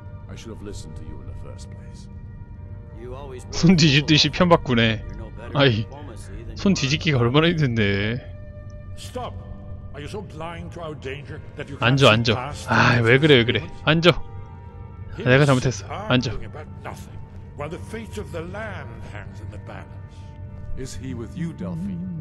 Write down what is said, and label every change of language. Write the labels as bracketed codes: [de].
[en] I should have listened to you in the first place. [ko] 손 뒤집듯이 편 바꾸네. 아이, 손 뒤집기가 얼마나 힘든데. [en] Stop. Are you so blind to our danger that you [ko] 앉아, 앉아. 아, 왜 그래, 왜 그래? 앉아. 아, 내가 잘못했어. 앉아. [en] While the fate of the land hangs in the balance, is he with you, Delphine?